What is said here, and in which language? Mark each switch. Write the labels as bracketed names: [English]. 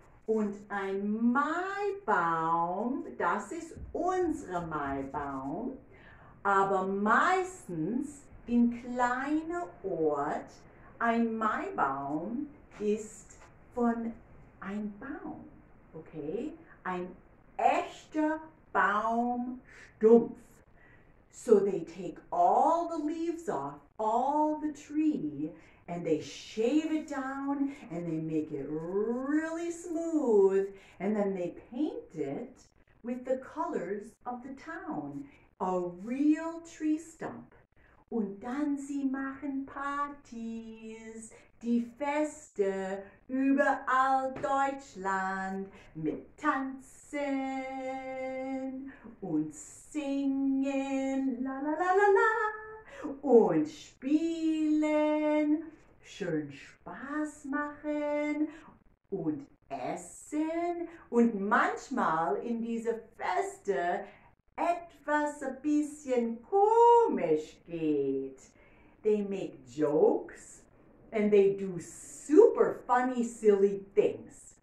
[German] Und ein Maibaum, das ist unsere Maibaum, aber meistens in kleinen Ort, ein Maibaum ist von einem Baum, okay? Ein echter Baumstumpf. [English] So they take all the leaves off, all the tree, and they shave it down, and they make it really smooth, and then they paint it with the colors of the town, a real tree stump. [German] Und dann sie machen Partys, die Feste überall Deutschland mit Tanzen und Singen. La la la la la. und spielen, schön Spaß machen und essen und manchmal in diese Feste etwas ein bisschen komisch geht. [English] They make jokes and they do super funny, silly things.